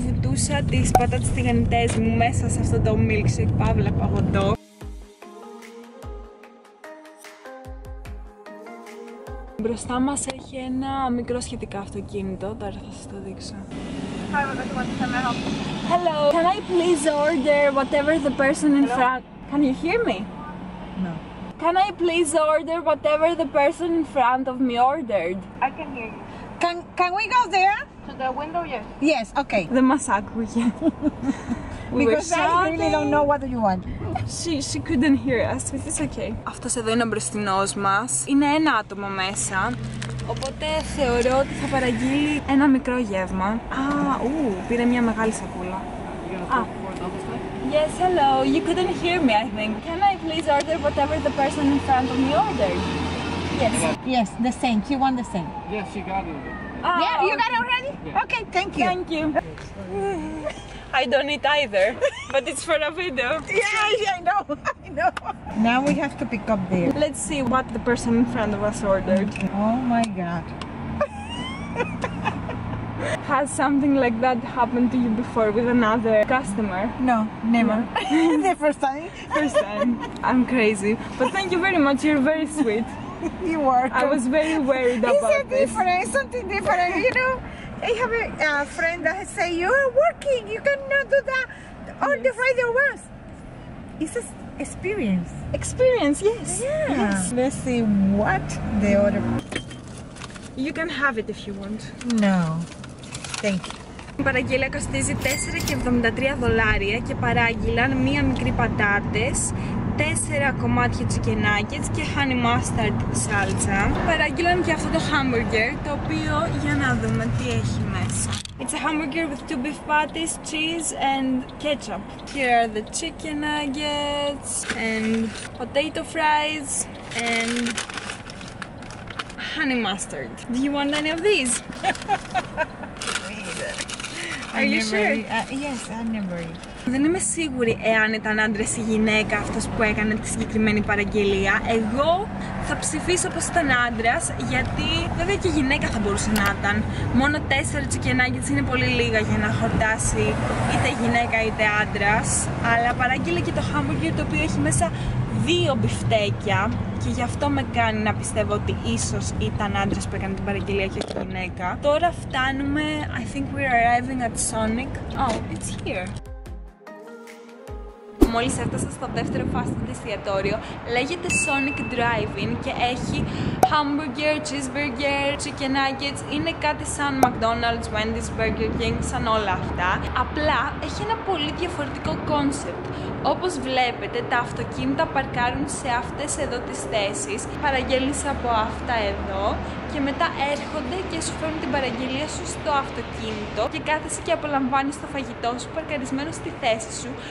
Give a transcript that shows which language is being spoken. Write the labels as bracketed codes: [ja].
[el] Βουτούσα τις πατάτες τηγανητές μου μέσα σε αυτό το milkshake, παύλα παγωτό. Μπροστά μας έχει ένα μικρό σχετικά αυτοκίνητο, τώρα θα σας το δείξω. [en] Hello. Can I please order whatever the person in front? Can you hear me? No. Can I please order whatever the person in front of me ordered? I can hear you. Can we go there? To the window, yes. Yes, okay. The massacre. Because I really don't know what you want. She couldn't hear us. It's okay. [el] Αυτός εδώ είναι ο μπροστινός μας. Είναι ένα άτομο μέσα. Οπότε θεωρώ ότι θα παραγγείλει ένα μικρό γεύμα. Α, πήρε μια μεγάλη σακούλα. [en] Yes, hello. You couldn't hear me, I think. Can I please order whatever the person in front of me ordered? Yes. Yes, the same. You want the same? Yes, she got it. Oh, yeah, you got it already? Yeah. Okay, thank you. Thank you. I don't eat either, but it's for a video. Yeah, I know. Now we have to pick up there. Let's see what the person in front of us ordered. Oh my god. Has something like that happened to you before with another customer? No, never. No. The first time. First time. I'm crazy. But thank you very much, you're very sweet. You are. I was very worried about this. It's different, something different, you know? I have a friend that say, you are working, you cannot do that on the way there was. It's just experience. Experience, yes. Yeah. Yes. Let's see what the order. You can have it if you want. No. Thank you. [el] Η παραγγελία κοστίζει 4,73 δολάρια και παράγγειλαν μία μικρή πατάτες, 4 κομμάτια chicken nuggets και honey mustard σάλτσα. Παράγγειλαν και αυτό το hamburger, το οποίο για να δούμε τι έχει μέσα. [en] It's a hamburger with 2 beef patties, cheese and ketchup. Here are the chicken nuggets and potato fries and honey mustard. Do you want any of these? Are you sure? Yes, I never eat. [el] Δεν είμαι σίγουρη εάν ήταν άντρες ή γυναίκα αυτός που έκανε τη συγκεκριμένη παραγγελία. Εγώ θα ψηφίσω πως ήταν άντρας, γιατί βέβαια και γυναίκα θα μπορούσε να ήταν. Μόνο 4 chicken nuggets είναι πολύ λίγα για να χορτάσει είτε γυναίκα είτε άντρας. Αλλά παράγγειλε και το hamburger, το οποίο έχει μέσα 2 μπιφτέκια. Και γι' αυτό με κάνει να πιστεύω ότι ίσως ήταν άντρας που έκανε την παραγγελία και όχι γυναίκα. Τώρα φτάνουμε, [en] I think we're arriving at Sonic. Oh, it's here. [el] Μόλις έφτασα στο δεύτερο fast food εστιατόριο, λέγεται Sonic Drive-In και έχει hamburger, cheeseburger, chicken nuggets, είναι κάτι σαν McDonald's, Wendy's, Burger King, σαν όλα αυτά. Απλά έχει ένα πολύ διαφορετικό concept. Όπως βλέπετε, τα αυτοκίνητα παρκάρουν σε αυτές εδώ τις θέσεις, παραγγέλνεις από αυτά εδώ και μετά έρχονται και σου φέρνουν την παραγγελία σου στο αυτοκίνητο και κάθεσαι και απολαμβάνεις το φαγητό σου παρκαρισμένο στη θέση σου.